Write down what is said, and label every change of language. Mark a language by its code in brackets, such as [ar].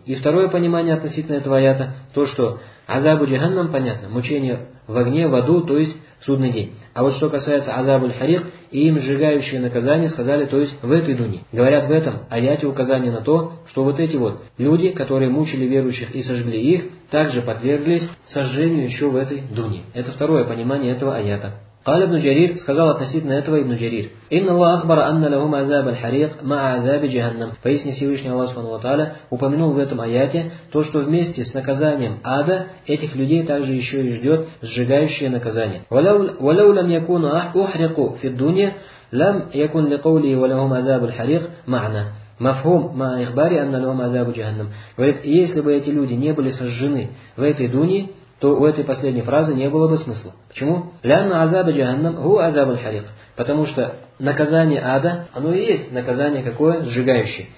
[ru] И второе понимание относительно этого аята, то, что азабу джаханнам, понятно, мучение в огне, в аду, то есть в судный день. А вот что касается азабу аль-хариг, и им сжигающее наказание, сказали, то есть в этой дуне. Говорят в этом аяте указание на то, что вот эти вот люди, которые мучили верующих и сожгли их, также подверглись сожжению еще в этой дуне. Это второе понимание этого аята. [ar] قال ابن جرير [ru] сказал относительно этого [ar] ابن جرير إن الله أخبر أن لهم عذاب الحريق مع عذاب جهنم. [ru] Поясни Всевышний Аллах Субхану ва Тааля упомянул в этом аяте то, что вместе с наказанием ада этих людей также еще и ждет сжигающее наказание. [ar] ولو لم يكون أحرقوا في الدنيا لم يكن لقوله ولهم عذاب الحريق معنى. Мафхум ма ихбари анна лахум азабу джаханнам. [ru] Говорит, если бы эти люди не были сожжены в этой дунии, то у этой последней фразы не было бы смысла. Почему? [ar] «Лянна азаба джаханнам ху азаба аль-хариг». [ru] Потому что наказание ада, оно и есть наказание какое? Сжигающее.